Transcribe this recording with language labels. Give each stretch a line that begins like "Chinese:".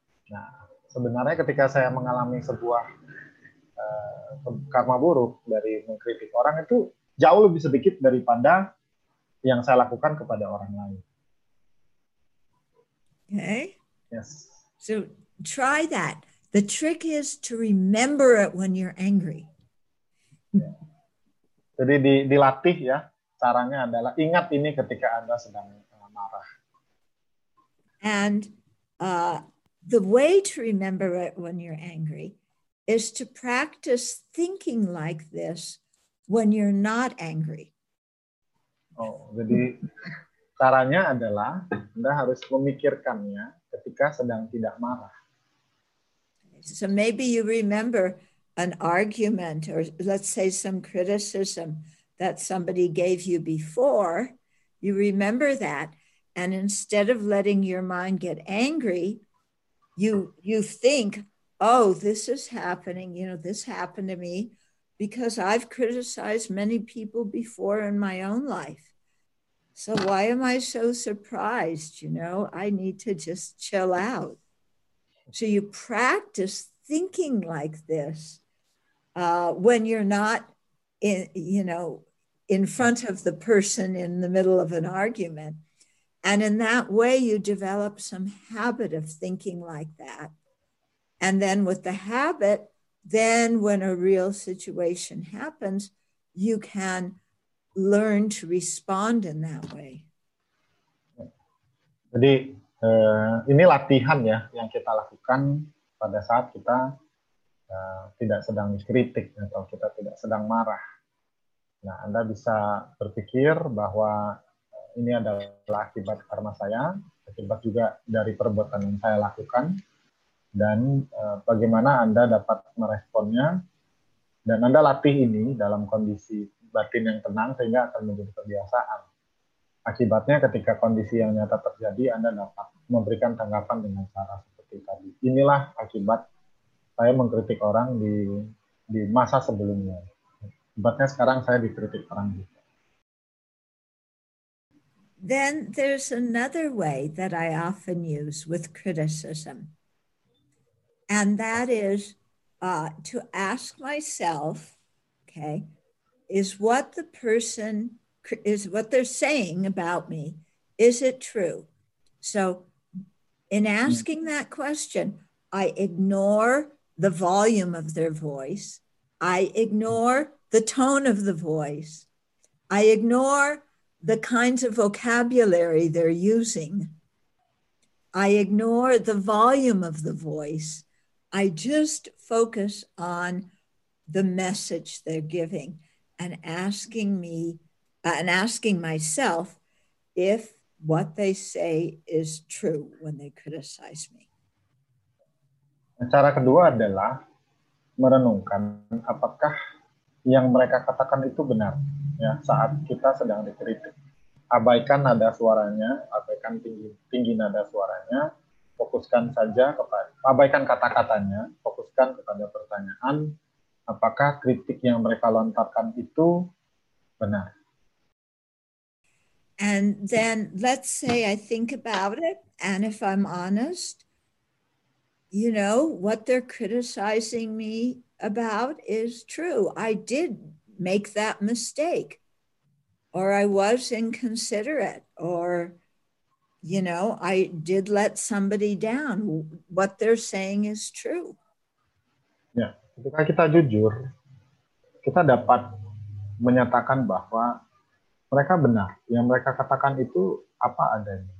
Indonesian: Nah, sebenarnya ketika saya mengalami sebuah karma buruk dari mengkritik orang itu jauh lebih sedikit daripada yang saya lakukan kepada orang lain.
English: Okay. Yes. So try that. The trick is to remember it when you're angry.
Indonesian: Jadi dilatih ya, caranya adalah ingat ini ketika Anda sedang marah.
English: And the way to remember it when you're angry is to practice thinking like this when you're not angry.
Indonesian: Oh, jadi caranya adalah Anda harus memikirkannya ketika sedang tidak marah.
English: So maybe you remember an argument or let's say some criticism that somebody gave you before, you remember that, and instead of letting your mind get angry, you think, oh, this is happening, you know, this happened to me because I've criticized many people before in my own life. So why am I so surprised, you know? I need to just chill out. So you practice thinking like this when you're not, in front of the person in the middle of an argument. And in that way, you develop some habit of thinking like that. And then with the habit, then when a real situation happens, you can learn to respond in that way.
Indonesian: Jadi Ini latihan ya yang kita lakukan pada saat kita tidak sedang dikritik atau kita tidak sedang marah. Nah, Anda bisa berpikir bahwa ini adalah akibat karma saya, akibat juga dari perbuatan yang saya lakukan, dan bagaimana Anda dapat meresponnya, dan Anda latih ini dalam kondisi batin yang tenang sehingga akan menjadi kebiasaan. Akibatnya ketika kondisi yang nyata terjadi, Anda dapat memberikan tanggapan dengan cara seperti tadi. Inilah akibat saya mengkritik orang di masa sebelumnya. Akibatnya sekarang saya dikritik orang juga.
English: Then there's another way that I often use with criticism. And that is to ask myself, okay, is what the person is what they're saying about me, is it true? So in asking that question, I ignore the volume of their voice. I ignore the tone of the voice. I ignore the kinds of vocabulary they're using. I ignore the volume of the voice. I just focus on the message they're giving and asking me and asking myself if what they say is true when they criticize me.
Indonesian: Cara kedua adalah merenungkan apakah yang mereka katakan itu benar ya saat kita sedang dikritik. Abaikan nada suaranya, abaikan tinggi nada suaranya, fokuskan saja kepada, abaikan kata-katanya, fokuskan kepada pertanyaan, apakah kritik yang mereka lontarkan itu benar.
English: And then let's say I think about it, and if I'm honest, you know, what they're criticizing me about is true. I did make that mistake, or I was inconsiderate, or, you know, I did let somebody down. What they're saying is true.
Indonesian: Ya, ketika kita jujur, kita dapat menyatakan bahwa mereka benar. Yang mereka katakan itu apa adanya.